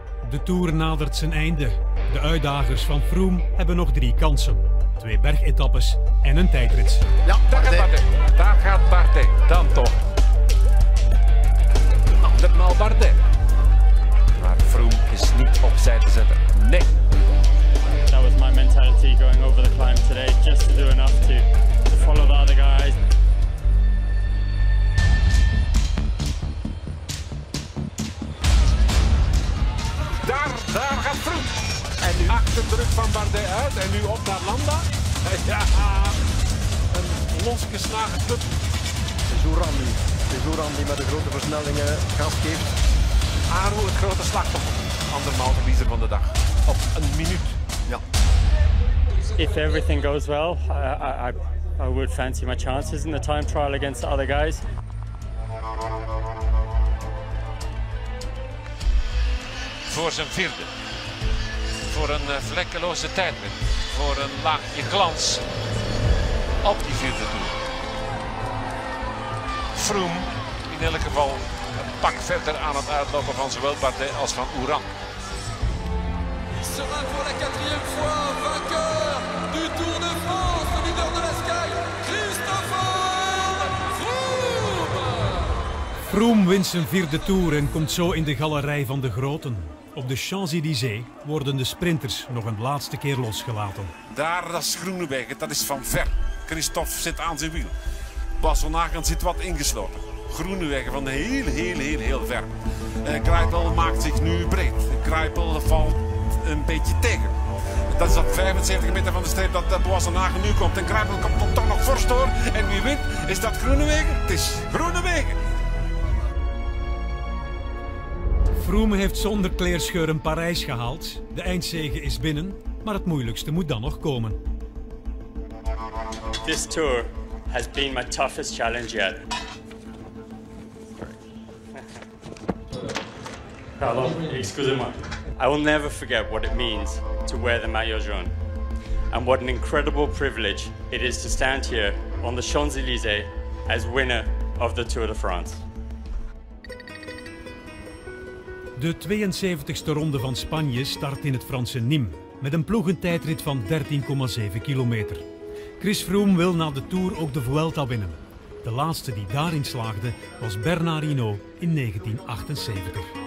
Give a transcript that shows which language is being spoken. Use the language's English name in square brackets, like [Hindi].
[Dutch] De tour nadert zijn einde. De uitdagers van Froome hebben nog 3 kansen. 2 bergetappes en een tijdrit. Ja, daar gaat Bardet. Dan toch. Andermaal Bardet. Maar Froome is niet opzij te zetten. Nee. [English] That was my mentality going over the climb today. Just to do enough to follow the other guys. [Dutch] Daar gaat Froome. En nu achter de rug van Bardet uit en nu op naar Lambda. Ja, een losgeslagen club. Het is Oran die met de grote versnellingen gas geeft. Aru, het grote slachtoffer. Andermaal verliezer van de dag. Op een minuut. Ja. [English] If everything goes well, I would fancy my chances in the time trial against the other guys. [Dutch] Voor zijn 4e. Voor een vlekkeloze tijdrit. Voor een laagje glans. Op die 4e toer. Froome in elk geval een pak verder aan het uitlopen van zowel Bardet als van Oran. [French] Il sera pour la 4e fois vainqueur du Tour de France, le leader de la Sky, Christopher Froome. [Dutch] Froome wint zijn 4e toer en komt zo in de galerij van de groten. Op de Champs-Élysées worden de sprinters nog een laatste keer losgelaten. Daar, dat is Groenewegen, dat is van ver. Christophe zit aan zijn wiel. Bas van Aken zit wat ingesloten. Groenewegen van heel ver. Kruipel maakt zich nu breed. Kruipel valt een beetje tegen. Dat is op 75 meter van de streep dat Bas van Aken nu komt. En Kruipel komt toch nog fors door. En wie wint, is dat Groenewegen? Het is Groenewegen. Froome heeft zonder kleerscheuren Parijs gehaald. De eindzege is binnen, maar het moeilijkste moet dan nog komen. [English] This tour has been my toughest challenge yet. [French] Pardon, excusez-moi. [English] I will never forget what it means to wear the maillot jaune. And what an incredible privilege it is to stand here on the Champs-Élysées as winner of the Tour de France. [Dutch] De 72e ronde van Spanje start in het Franse Nîmes met een ploegentijdrit van 13,7 kilometer. Chris Froome wil na de Tour ook de Vuelta winnen. De laatste die daarin slaagde was Bernard Hinault in 1978.